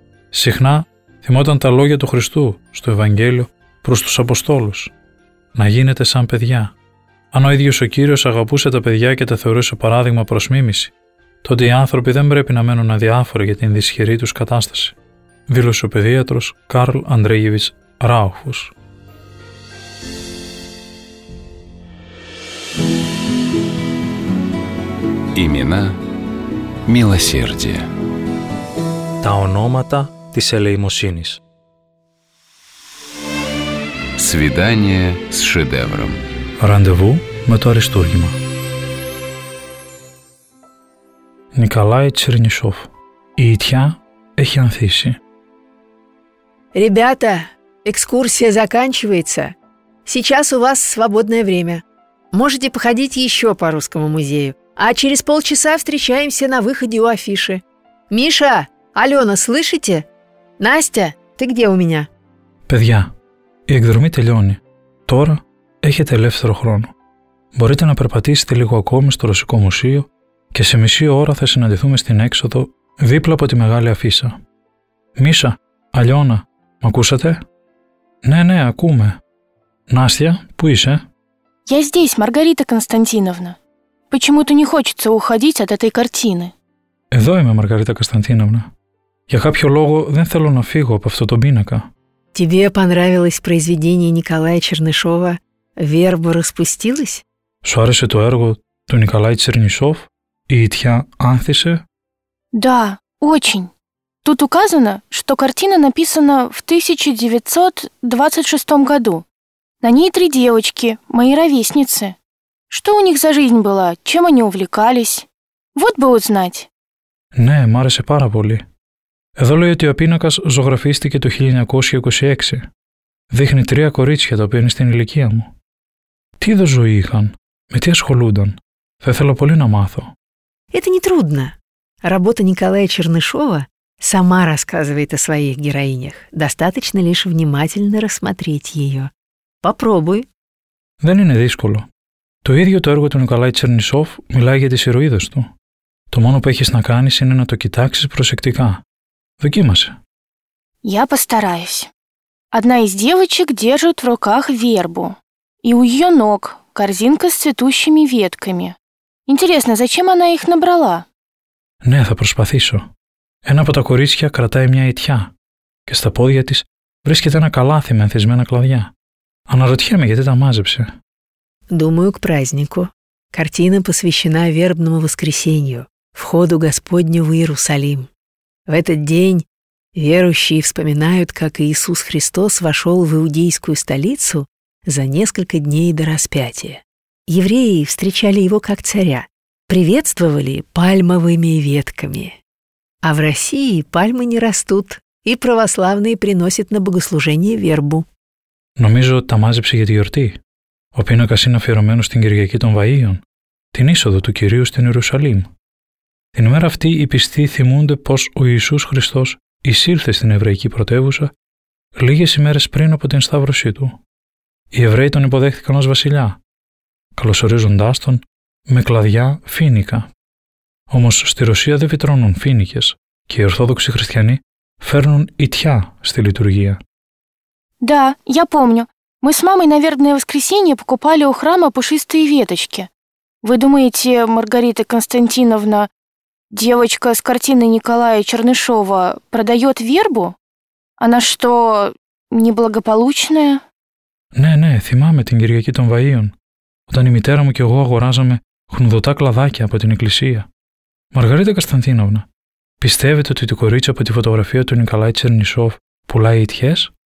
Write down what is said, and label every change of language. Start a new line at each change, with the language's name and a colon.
Greek: Συχνά θυμόταν τα λόγια του Χριστού στο Ευαγγέλιο προς τους Αποστόλους. Να γίνετε σαν παιδιά. Αν ο ίδιος ο Κύριος αγαπούσε τα παιδιά και τα θεωρούσε παράδειγμα προς μίμηση, τότε οι άνθρωποι δεν πρέπει να μένουν αδιάφοροι για την δυσχερή τους κατάσταση, δήλωσε ο παιδίατρος Καρλ Ανδρέγεβιτς Ράουχφους.
Russian: Ημινά μιλοσέρδια.
Greek: Τα ονόματα της ελεημοσύνης.
Russian: Свидание с шедевром.
Greek: Ραντεβού με το αριστούργημα. Νικολάι Τσερνισόφ. Η Ιτιά έχει ανθίσει.
Russian: Ребята, экскурсия заканчивается. Сейчас у вас свободное время. Можете походить еще по русскому музею. А через полчаса встречаемся на выходе у афиши. Миша, Алена, слышите? Настя, ты где у меня?
Greek: Педья, η εκδρομή τελειώνει. Τώρα έχετε ελεύθερο χρόνο. Μπορείτε να περπατήσετε λίγο ακόμη στο Ρωσικό Μουσείο και σε μισή ώρα θα συναντηθούμε στην έξοδο δίπλα από τη μεγάλη αφίσα. Μίσα, Αλιώνα, μ' ακούσατε? Ναι, ναι, ακούμε. Νάστια, πού είσαι?
Russian: Я здесь, Маргарита Константиновна. Почему-то не хочется уходить от этой картины.
Greek: Εδώ είμαι, Маргарита Константиновна. Για κάποιο λόγο δεν θέλω να φύγω από αυτό το πίνακα.
Russian: Тебе понравилось произведение Николая Чернышова «Верба распустилась»?
Greek: Σου άρεσε το έργο του Николая Чернышова «Η Итья Анθησε»?
Russian: Да, очень. Тут указано, что картина написана в 1926 году. На ней три девочки, мои ровесницы. Что у них за жизнь была, чем они увлекались? Вот бы узнать.
Greek: Ναι, μ' άρεσε πάρα πολύ. Εδώ λέει ότι ο πίνακας ζωγραφίστηκε το 1926. Δείχνει τρία κορίτσια τα οποία είναι στην ηλικία μου. Τι είδος ζωή είχαν, με τι ασχολούνταν, θα ήθελα πολύ να μάθω.
Russian: Это не трудно. Работа Николая Чернышова сама рассказывает о своих героинях. Достаточно лишь внимательно рассмотреть ее. Попробуй.
Greek: Δεν είναι δύσκολο. Το ίδιο το έργο του Николая Чернышова μιλάει για τις ηρωίδες του. Το μόνο που έχεις να κάνεις είναι να το κοιτάξεις προσεκτικά. Δοκίμασε.
Russian: Я постараюсь. Одна из девочек держит в руках вербу. И у ее ног корзинка с цветущими ветками. Интересно, зачем она их набрала?
Greek: Ναι, θα προσπαθήσω. Ένα από τα κορίτσια κρατάει μια ιτιά και στα πόδια της βρίσκεται ένα καλάθι με ανθισμένα κλαδιά. Αναρωτιέμαι γιατί τα μάζεψε.
Russian: Думаю, к празднику. Картина посвящена вербному воскресенью, входу Господню в Иерусалим. В этот день верующие вспоминают, как Иисус Христос вошел в иудейскую столицу за несколько дней до распятия. Евреи встречали его как царя, приветствовали пальмовыми ветками. А в России пальмы не растут, и православные приносят на богослужение вербу.
Greek: Νομίζω ότι τα μάζεψε για τη γιορτή. Ο πίνακας είναι αφιερωμένος στην Κυριακή των Βαΐων, την είσοδο του Κυρίου στην Ιερουσαλήμ. Την ημέρα αυτή οι πιστοί θυμούνται πως ο Ιησούς Χριστός εισήλθε στην εβραϊκή πρωτεύουσα λίγες ημέρες πριν από την σταύρωσή του. Οι Εβραίοι τον υποδέχτηκαν ως βασιλιά, καλωσορίζοντάς τον με κλαδιά φίνικα. Όμως στη Ρωσία δεν φυτρώνουν φίνικες και οι Ορθόδοξοι Χριστιανοί φέρνουν ιτιά στη λειτουργία.
Russian: Да, я помню. Мы с мамой, наверное, в воскресенье покупали у храма пушистые веточки. Вы думаете, Маргарита Константиновна, девочка с картины Николая Чернышова продает вербу? Она что, неблагополучная?
Greek: Ναι, ναι, θυμάμαι την Κυριακή των Βαΐων, όταν η μητέρα μου και εγώ αγοράζαμε χνουδωτά κλαδάκια από την εκκλησία. Μαργαρίτα Κωνσταντίνοβνα, πιστεύετε ότι το κορίτσι από τη φωτογραφία του Νικολάη Τσερνισόφ πουλάει ιτιές?